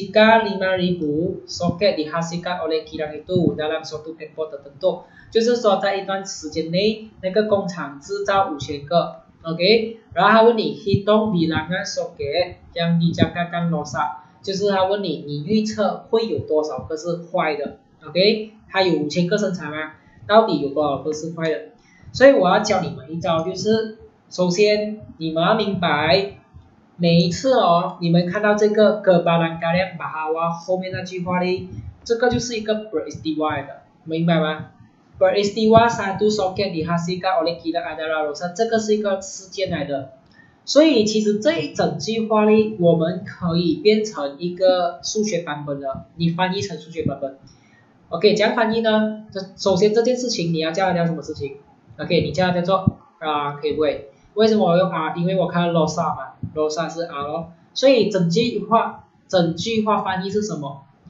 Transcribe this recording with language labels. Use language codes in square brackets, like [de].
[ms] jika 5000 soket dihasilkan oleh kilang itu dalam satu tempoh tertentu， [zh] 就是说在一段时间内那个工厂制造5000个， OK， 然后他问你 [ms] hitung bilangan soket yang dijangkakan rosak， [zh] 就是他问你你预测会有多少个是坏的， OK， 他有5000个生产吗？到底有多少个是坏的？所以我要教你们一招，就是首先你们要明白每一次哦，你们看到这个 [ms] kebarangkalian bahwa [zh] 后面那句话呢，这个就是一个 break divide 的，明白吗？ [ms] Peristiwa satu soket dihasilkan oleh kilang adalah rosak， [zh] 这个是一个事件来的。所以其实这一整句话呢，我们可以变成一个数学版本的，你翻译成数学版本。 OK， 怎样翻译呢？首先这件事情你要叫它叫什么事情？ OK， 你叫它叫做 R， 可以不可以？为什么我用 R？因为我看到 rosak 嘛， rosak 是 R 咯。所以整句话翻译是什么？